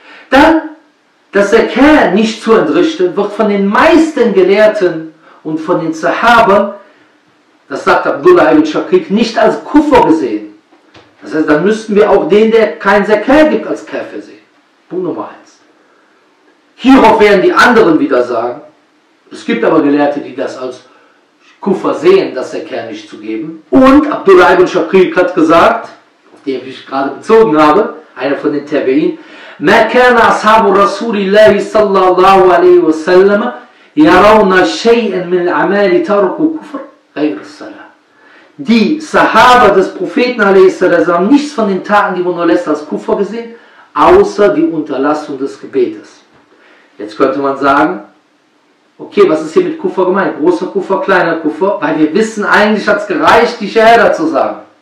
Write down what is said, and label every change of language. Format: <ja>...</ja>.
<de>Dann, dass der Kerl nicht zu entrichten, wird von den meisten Gelehrten und von den Sahaba, das sagt Abdullah ibn Shakik, nicht als Kufr gesehen. Das heißt, dann müssten wir auch den, der kein Zakat gibt, als Kafir sehen. Punkt Nummer 1. Hierauf werden die anderen wieder sagen, es gibt aber Gelehrte, die das als Kufr sehen, das Zakat nicht zu geben. Und Abdullah ibn Shakik hat gesagt, auf den ich gerade bezogen habe, einer von den Tabi'in,</de> <ar>ما كان أصحاب رسول الله صلى الله عليه وسلم يرون شيئا من الأعمال تركوا كفر غير الصلاة.</ar> <de>Die Sahaba des Propheten a.s. haben nichts von den Taten, die man erlässt, als Kufr gesehen, außer die Unterlassung des Gebetes. Jetzt könnte man sagen, okay, was ist hier mit Kufr gemeint? Großer Kufr, kleiner Kufr? Weil wir wissen, eigentlich hat es gereicht, die Shahada zu sagen.</de>